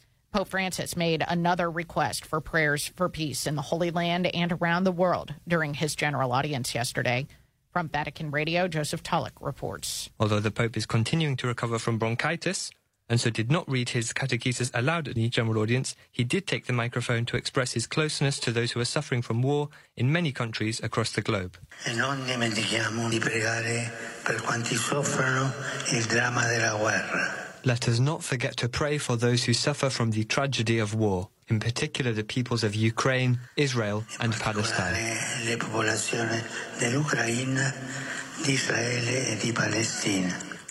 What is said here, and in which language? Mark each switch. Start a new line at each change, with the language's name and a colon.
English: Pope Francis made another request for prayers for peace in the Holy Land and around the world during his general audience yesterday. From Vatican Radio, Joseph Tulloch reports. Although the Pope is continuing to recover from bronchitis, and so did not read his catechesis aloud at the general audience, he did take the microphone to express his closeness to those who are suffering from war in many countries across the globe.
Italian: E non dimentichiamo di pregare per quanti soffrono il dramma della guerra.
English: Let us not forget to pray for those who suffer from the tragedy of war, in particular the peoples of Ukraine, Israel, and Palestine.
Italian: Le popolazioni dell'Ucraina, di Israele e di Palestina.